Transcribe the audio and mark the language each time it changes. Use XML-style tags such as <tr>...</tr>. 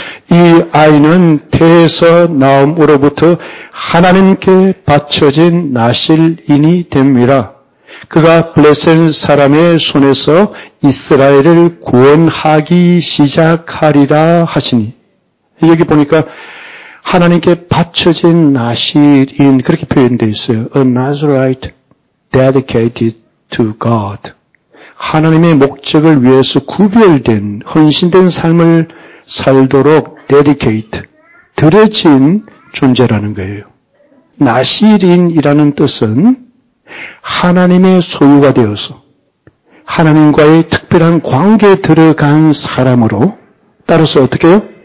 <ko>이 아이는 태에서 나옴으로부터 하나님께 바쳐진 나실인이 됨이라. 그가 블레셋 사람의 손에서 이스라엘을 구원하기 시작하리라 하시니. 여기 보니까 하나님께 바쳐진 나실인 그렇게 표현되어 있어요.</ko> <en>A Nazarite dedicated to God.</en> <ko>하나님의 목적을 위해서 구별된 헌신된 삶을 살도록 dedicate, 드려진 존재라는 거예요. 나실인이라는 뜻은 하나님의 소유가 되어서 하나님과의 특별한 관계에 들어간 사람으로 따라서 어떻게 해요?</ko>